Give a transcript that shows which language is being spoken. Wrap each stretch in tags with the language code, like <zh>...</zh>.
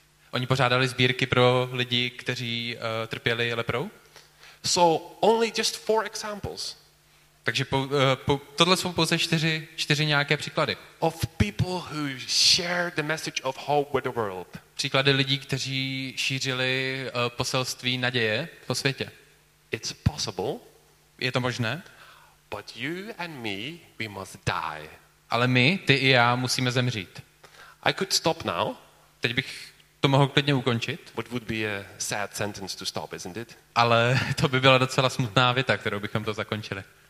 <cs>Oni pořádali sbírky pro lidi, kteří trpěli leprou.</cs> <en>So only just four examples.</en> <cs>Takže tohle jsou pouze čtyři nějaké příklady.</cs> <en>Of people who shared the message of hope with the world.</en> <cs>Příklady lidí, kteří šířili poselství naděje po světě.</cs> <en>It's possible.</en> <cs>Je to možné.</cs> <en>But you and me, we must die.</en> <cs>Ale my, ty i já, musíme zemřít.</cs> <en>I could stop now.</en> <cs>Teď bych to mohl klidně ukončit.</cs> <en>What would be a sad sentence to stop, isn't it?</en> <cs>Ale to by byla docela smutná věta, kterou bychom to zakončili.</cs>